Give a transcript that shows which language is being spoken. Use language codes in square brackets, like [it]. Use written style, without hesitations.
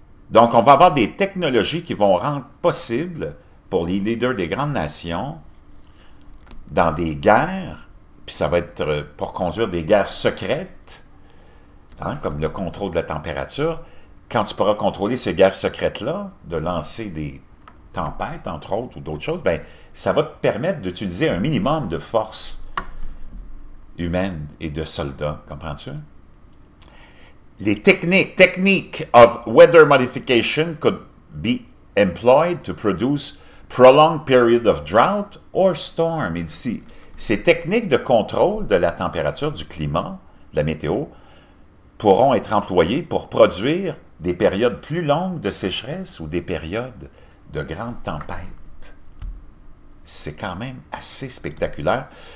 [fr] Donc, on va avoir des technologies qui vont rendre possible pour les leaders des grandes nations dans des guerres, puis ça va être pour conduire des guerres secrètes, hein, comme le contrôle de la température. Quand tu pourras contrôler ces guerres secrètes-là, de lancer des tempêtes, entre autres, ou d'autres choses, bien, ça va te permettre d'utiliser un minimum de forces humaines et de soldats, comprends-tu? [en] Les techniques of weather modification could be employed to produce prolonged period of drought or storm. [fr] Il dit, ces techniques de contrôle de la température, du climat, de la météo, pourront être employées pour produire des périodes plus longues de sécheresse ou des périodes de grandes tempêtes. C'est quand même assez spectaculaire.